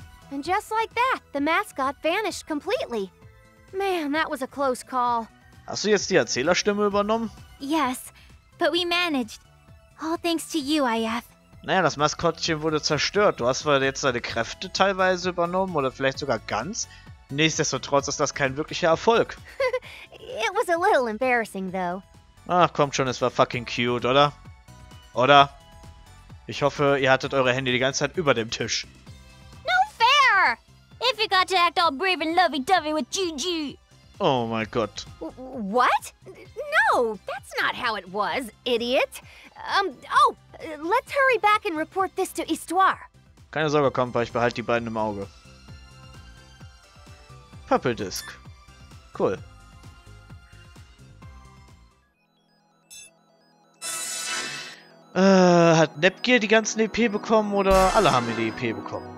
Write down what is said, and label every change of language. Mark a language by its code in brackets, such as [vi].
[en] And just like that, the mascot vanished completely. Man, that was a close call. [de] Hast du jetzt die Erzählerstimme übernommen? [en] Yes, but we managed. All thanks to you, IF. [de] Naja, das Maskottchen wurde zerstört. Du hast zwar jetzt seine Kräfte teilweise übernommen oder vielleicht sogar ganz. Nichtsdestotrotz ist das kein wirklicher Erfolg. [en] It was a little embarrassing, though. [de] Ach, kommt schon, es war [en] fucking cute, [de] oder? Oder? Ich hoffe, ihr hattet eure Hände die ganze Zeit über dem Tisch. [en] No fair! If you got to act all brave and lovey-dovey with Gigi! [de] Oh mein Gott. [en] What? No, that's not how it was, idiot. Oh, let's hurry back and report this to Histoire. [de] Keine Sorge, Kompa, ich behalte die beiden im Auge. [en] Purple Disc. Cool. [de] Hat Nepgear die ganzen EP bekommen oder alle haben die EP bekommen?